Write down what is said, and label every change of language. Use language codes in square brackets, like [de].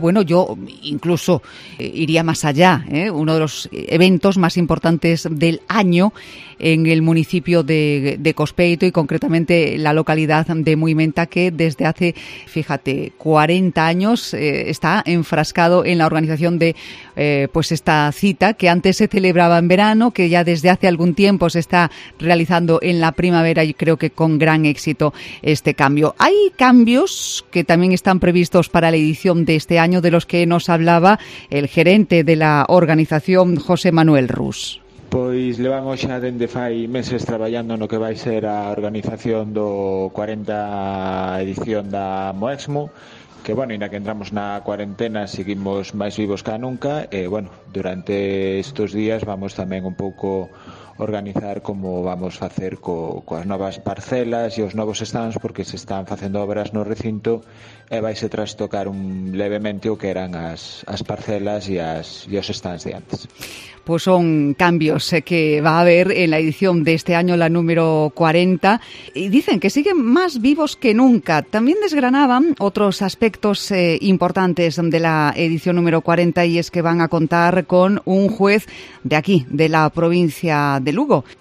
[es] Bueno, yo incluso iría más allá, uno de los eventos más importantes del año en el municipio de Cospeito y concretamente la localidad de Muimenta, que desde hace, fíjate, 40 años está enfrascado en la organización de pues esta cita, que antes se celebraba en verano, que ya desde hace algún tiempo se está realizando en la primavera y creo que con gran éxito este cambio. Hay cambios que también están previstos para la edición de este año, de los que nos hablaba el gerente de la organización, José Manuel Rus. [gl] Pois levamos xa dende fai meses traballando no que vai ser a organización do 40 edición da MOEXMU, que, bueno, ainda que entramos na cuarentena seguimos máis vivos que nunca, e, bueno, durante estes días vamos tamén un pouco organizar como vamos facer coas novas parcelas e os novos stands, porque se están facendo obras no recinto e vaise trastocar levemente o que eran as parcelas e os stands de antes. [es] Pues son cambios que va a haber en la edición de este año, la número 40. Y dicen que siguen más vivos que nunca. También desgranaban otros aspectos importantes de la edición número 40, y es que van a contar con un juez de aquí, de la provincia de Lugo.